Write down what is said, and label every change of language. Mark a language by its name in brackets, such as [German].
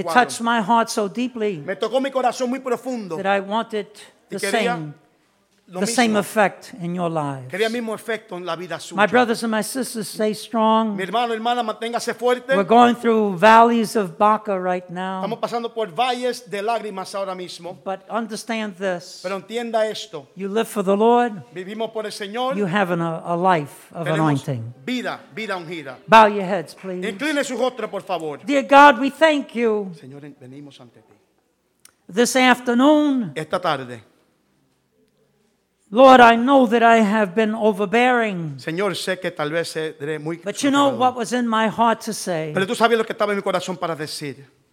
[English] It touched my heart so deeply [Spanish] me tocó mi corazón muy profundo [English] that I wanted the same. The same effect in your lives. [Spanish] Quería mismo efecto en la vida suya. [English] My brothers and my sisters, stay strong. [Spanish] Mi hermano, hermana, manténgase fuerte. [English] We're going through valleys of Baca right now. [Spanish] Estamos pasando por valles de lágrimas ahora mismo. [English] But understand this. [Spanish] Pero entienda esto. [English] You live for the Lord. [Spanish] Vivimos por el Señor. [English] You have a life of [Spanish] Tenemos [English] anointing. [Spanish] Vida, vida ungida. [English] Bow your heads, please. [Spanish] Incline su rostro, por favor. [English] Dear God, we thank you. [Spanish] Señor, venimos ante ti. [English] This afternoon. [Spanish] Esta tarde. [English] Lord, I know that I have been overbearing. [Spanish] Señor, sé que tal vez seré muy [English] But you know what was in my heart to say. [Spanish] Pero tú sabes lo que estaba en mi corazón para decir.